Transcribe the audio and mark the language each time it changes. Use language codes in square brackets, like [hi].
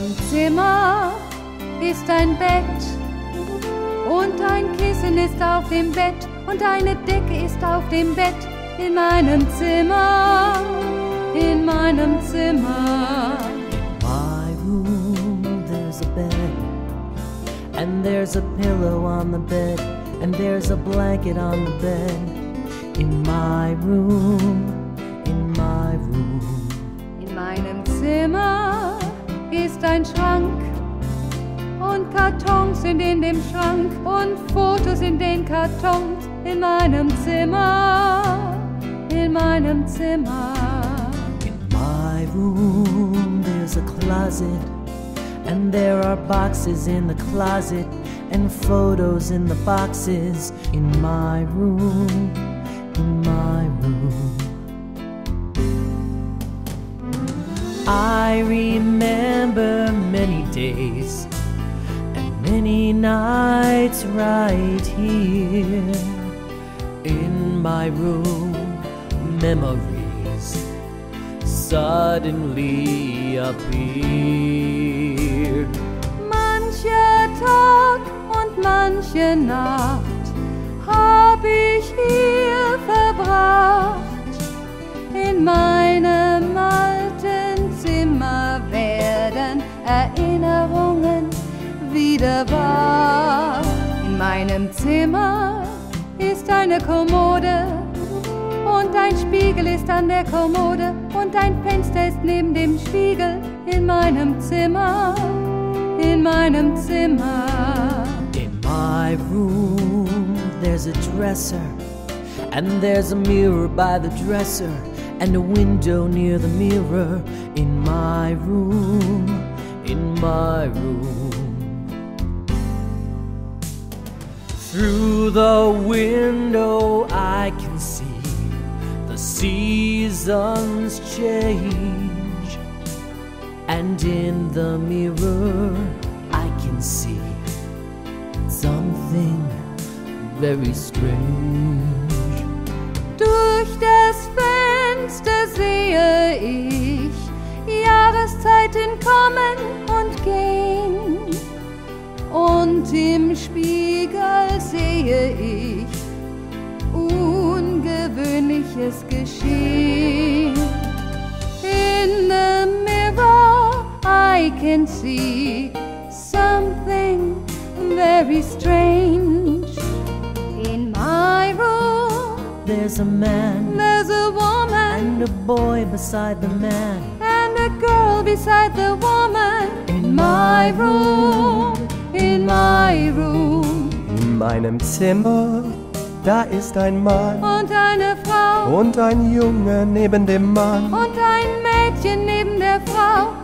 [de] Zimmer ist ein Bett und ein Kissen ist auf dem Bett und eine Decke ist auf dem Bett in meinem Zimmer, in meinem Zimmer. [en] In my room there's a bed and there's a pillow on the bed and there's a blanket on the bed. In my room, in my room. [de] In meinem Zimmer ist ein Schrank und Kartons sind in dem Schrank und Fotos sind in den Kartons. In meinem Zimmer, in meinem Zimmer. [en] In my room there's a closet and there are boxes in the closet and photos in the boxes. In my room, in my room. I remember many days and many nights right here in my room. Memories suddenly appear. [de] Manche Tag und manche Nacht hab ich hier verbracht in meinem alten Zimmer. Werden Erinnerungen wieder wahr. In meinem Zimmer ist eine Kommode und ein Spiegel ist an der Kommode und ein Fenster ist neben dem Spiegel. In meinem Zimmer, in meinem Zimmer. [en] In my room there's a dresser and there's a mirror by the dresser and a window near the mirror. In my room, in my room. Through the window I can see the seasons change, and in the mirror I can see something very strange. [de] Durch das Fenster sehe ich Jahreszeiten kommen und gehen, und im Spiegel sehe ich Ungewöhnliches geschehen. [en] In the mirror I can see something very strange. In my room there's a man, there's a woman, and a boy beside the man, and a girl beside the woman. In my room, in my room. [de] In meinem Zimmer, da ist ein Mann und eine Frau und ein Junge neben dem Mann und ein Mädchen neben der Frau.